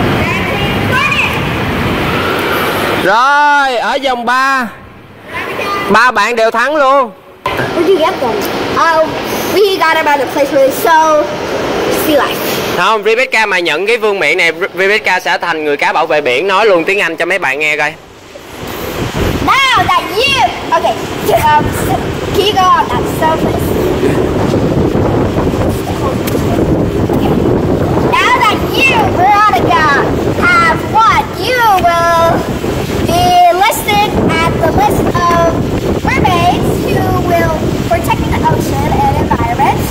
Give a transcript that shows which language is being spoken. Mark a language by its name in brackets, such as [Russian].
[Vietnamese] 1, 2, 3, 4, 5, 6, 7. Rồi, ở vòng 3 ba bạn đều thắng luôn. [English] Where did you get them? We got them at a place where it's so sea life. [Vietnamese] Không, Rebecca mà nhận cái vương miện này, Rebecca sẽ thành người cá bảo vệ biển. Nói luôn tiếng Anh cho mấy bạn nghe coi. [English] Now that you... Okay, so, can you go on that surface? Now that you, Veronica, have won, you will be listed at the list of mermaids who will protect the ocean and environment.